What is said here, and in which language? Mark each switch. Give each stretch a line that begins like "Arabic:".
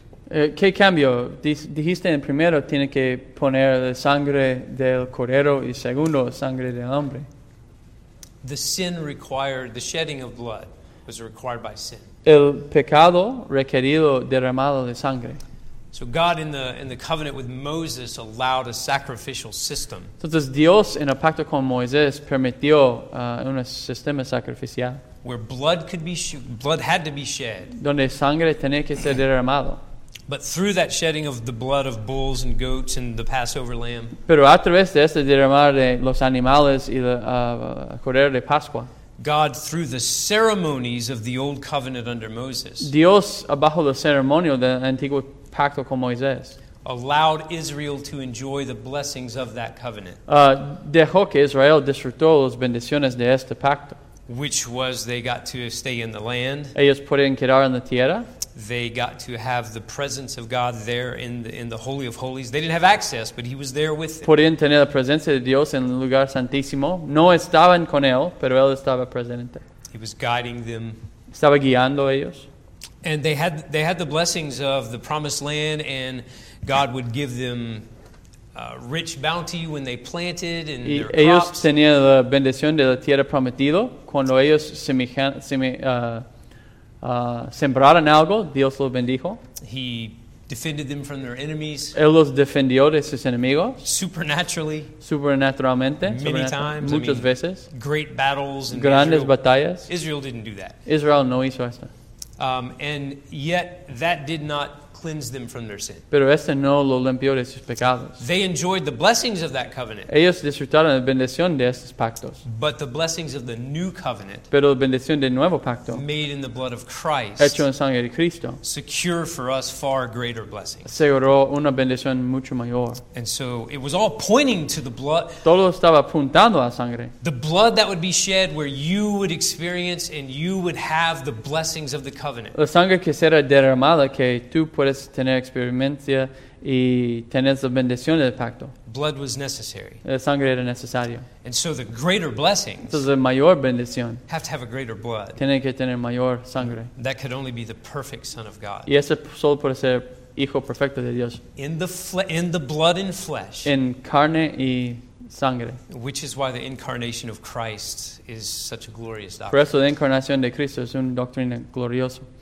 Spanish: ¿Qué cambio? Dijiste en primero tiene que poner la sangre del cordero y segundo sangre del hombre.
English: The sin required, the shedding of blood was required by sin.
Spanish: El pecado requerido derramado de sangre.
English: So God in the covenant with Moses allowed a sacrificial system.
Spanish: Entonces Dios en el pacto con Moisés permitió un sistema sacrificial.
English: Where blood had to be shed.
Spanish: Donde sangre tenía que ser derramado.
English: But through that shedding of the blood of bulls and goats and the Passover lamb.
Spanish: Pero a través de este derramar de los animales y el cordero de Pascua.
English: God through the ceremonies of the old covenant under Moses.
Spanish: Dios bajo la ceremonia del antiguo pacto con Moisés.
English: Allowed Israel to enjoy the blessings of that covenant.
Spanish: Dejó que Israel disfrutó las bendiciones de este pacto.
English: Which was they got to stay in the land.
Spanish: Ellos pueden quedar en la tierra.
English: They got to have the presence of God there in the Holy of Holies. They didn't have access, but he was there with them.
Spanish: Podían tener la presencia de Dios en el lugar santísimo. No estaban con él, pero él estaba presente.
English: He was guiding them.
Spanish: Estaba guiando ellos.
English: And they had the blessings of the promised land, and God would give them rich bounty when they planted and their crops.
Spanish: Ellos tenían la bendición de la tierra prometida cuando ellos sembraron algo, Dios los bendijo.
English: He defended them from their enemies.
Spanish: Él los defendió de sus enemigos.
English: Supernaturally.
Spanish: Supernaturalmente.
English: Many times.
Spanish: Muchas veces.
English: Great battles.
Spanish: Grandes batallas.
English: Israel didn't do that.
Spanish: Israel no hizo esto.
English: And yet that did not cleanse them from their sin.
Spanish: Pero este no lo limpió de sus pecados.
English: They enjoyed the blessings of that covenant.
Spanish: Ellos disfrutaron la bendición de estos pactos.
English: But the blessings of the new covenant.
Spanish: Pero la bendición del nuevo pacto.
English: Made in the blood of Christ.
Spanish: Hecho en sangre de Cristo.
English: Secure for us far greater blessings.
Spanish: Aseguró una bendición mucho mayor.
English: And so it was all pointing to the blood.
Spanish: Todo estaba apuntando a la sangre.
English: The blood that would be shed where you would experience and you would have the blessings of the covenant.
Spanish: La sangre que será derramada que tú puedes tener experiencia y tener la bendición del pacto.
English: Blood was necessary.
Spanish: La sangre era necesaria.
English: And so the greater blessings.
Spanish: Entonces la mayor bendición.
English: Have to have a greater blood.
Spanish: Tiene que tener mayor sangre.
English: That could only be the perfect Son of God.
Spanish: Y ese solo puede ser hijo perfecto de Dios.
English: In the blood and flesh.
Spanish: En carne y sangre.
English: Which is why the incarnation of Christ is such a glorious doctrine.
Spanish: Por eso la encarnación de Cristo es una doctrina gloriosa.